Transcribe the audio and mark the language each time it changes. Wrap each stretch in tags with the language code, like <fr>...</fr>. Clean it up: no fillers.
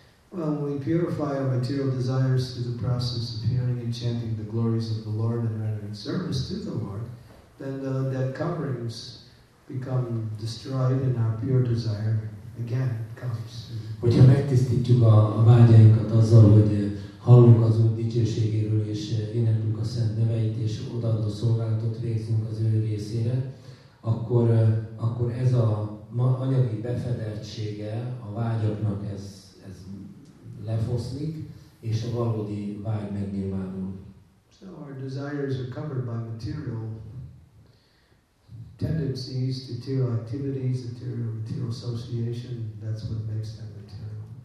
<en>Well, we purify our material desires through the process of hearing and chanting the glories of the Lord and rendering service to the Lord. Then that coverings become destroyed and our pure desire again comes.</en> <hu>Hogyha megtisztítjuk a vágyainkat azzal, hogy hallunk az Úr dicsőségéről, és énekeljük a Szent neveit, és odaadó szolgálatot végzünk az Ő részére, akkor ez a anyagi befedeltsége a vágyaknak ez lefoszlik, és a valódi vágy megnyilvánul.</hu> <en>So our desires are covered by material tendencies, material activities, material association, that's what makes them material.</en>